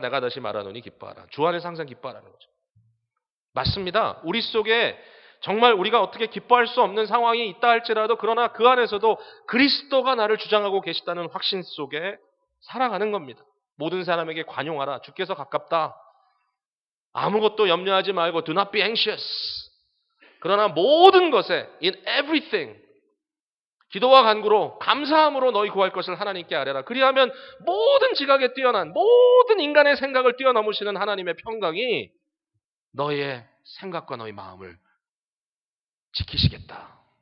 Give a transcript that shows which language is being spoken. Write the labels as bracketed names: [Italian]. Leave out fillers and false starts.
[Korean] 내가 다시 말하노니 기뻐하라. 주 안에서 항상 기뻐하라는 거죠. 맞습니다. 우리 속에 정말 우리가 어떻게 기뻐할 수 없는 상황이 있다 할지라도 그러나 그 안에서도 그리스도가 나를 주장하고 계시다는 확신 속에 살아가는 겁니다. 모든 사람에게 관용하라. 주께서 가깝다. 아무것도 염려하지 말고 [English] Do not be anxious. [Korean] 그러나 모든 것에 [English] In everything [Korean] 기도와 간구로 감사함으로 너희 구할 것을 하나님께 아뢰라. 그리하면 모든 지각에 뛰어난 모든 인간의 생각을 뛰어넘으시는 하나님의 평강이 너희의 생각과 너희 마음을 지키시겠다.